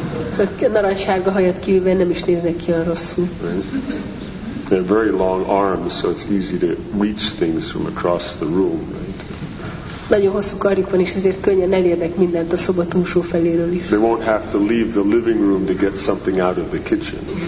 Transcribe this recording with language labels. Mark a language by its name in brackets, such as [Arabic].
[Hungarian] Szóval a narancssárga hajat kívülve nem is néznek ki olyan rosszul. [English] Right. They're very long arms, so it's easy to reach things from across the room. Right? [Hungarian] Nagyon hosszú karjuk van, és ezért könnyen elérnek mindent a szoba túlsó feléről is. [English] They won't have to leave the living room to get something out of the kitchen.